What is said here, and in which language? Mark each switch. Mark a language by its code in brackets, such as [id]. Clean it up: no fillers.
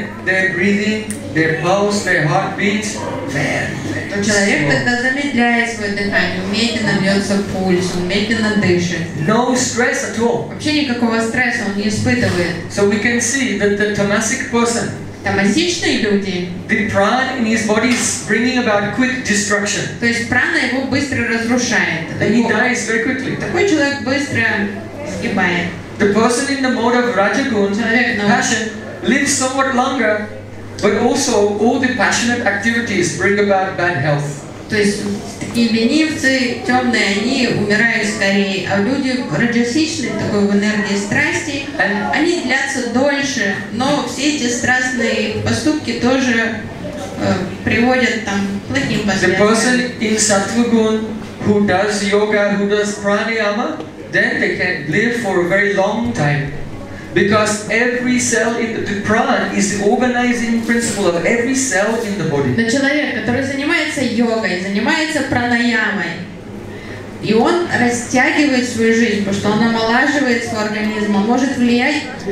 [en] their breathing, their pulse, their heartbeat, [ru] то человек тогда замедляет свое дыхание, медленно бьется пульс, он медленно дышит. [en] No stress at all. [ru] Вообще никакого стресса он не испытывает. [en] So we can see that the tamasic person. [ru] Тамасичные люди. [en] The prana in his body is bringing about quick destruction. [ru] То есть прана его быстро разрушает. [en] And he dies very quickly. [ru] Такой человек быстро сгибает. [en] The person in the mode of rajagun, passion, lives somewhat longer, but also all the passionate activities bring about bad health. [ru] То есть и ленивцы темные, они умирают скорее, а люди раджасичные, такой в энергии страсти, они длятся дольше, но все эти страстные поступки тоже приводят там к плохим последствиям. [en] The person in сатвагун who does yoga, who does pranayama, then they can live for a very long time. Because every cell in the prana is the organizing principle of every cell in the body. [ru] Но человек, который занимается йогой, занимается пранаямой, и он растягивает свою жизнь, потому что он омолаживает свой организм, он может влиять.